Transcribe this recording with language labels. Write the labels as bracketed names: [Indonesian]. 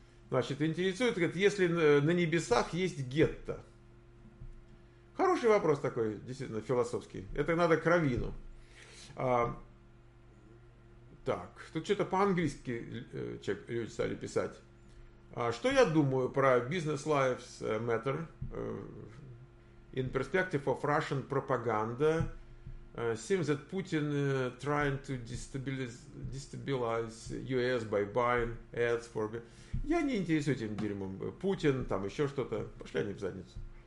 [Russian] Значит, интересует, если на небесах есть гетто. Хороший вопрос такой, действительно, философский. Это надо к раввину. Так, тут что-то по-английски люди стали писать. Что я думаю про [English] Business Lives Matter in perspective of Russian propaganda? Seems that Putin trying to destabilize US by buying ads for... [Russian] Я не интересуюсь этим дерьмом. Путин, там еще что-то. Пошли они в задницу.